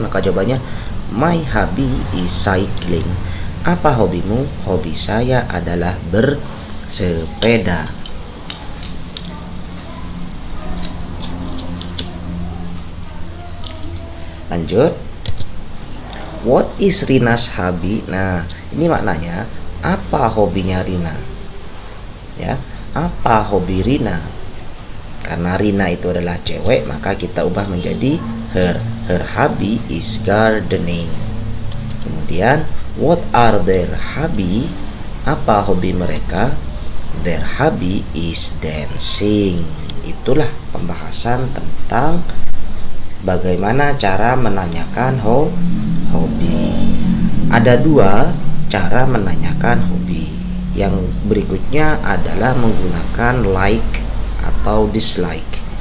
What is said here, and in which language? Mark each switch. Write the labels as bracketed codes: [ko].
[id] Maka jawabannya, [en] my hobby is cycling. [id] Apa hobimu? Hobi saya adalah bersepeda. Lanjut. [en] What is Rina's hobby? [id] Nah, ini maknanya apa hobinya Rina? Ya, apa hobi Rina? Karena Rina itu adalah cewek, maka kita ubah menjadi her. [en] Her hobby is gardening. [id] Kemudian, [en] what are their hobby? [id] Apa hobi mereka? [en] Their hobby is dancing. [id] Itulah pembahasan tentang bagaimana cara menanyakan hobi. Ada dua cara menanyakan hobi. Yang berikutnya adalah menggunakan like atau dislike.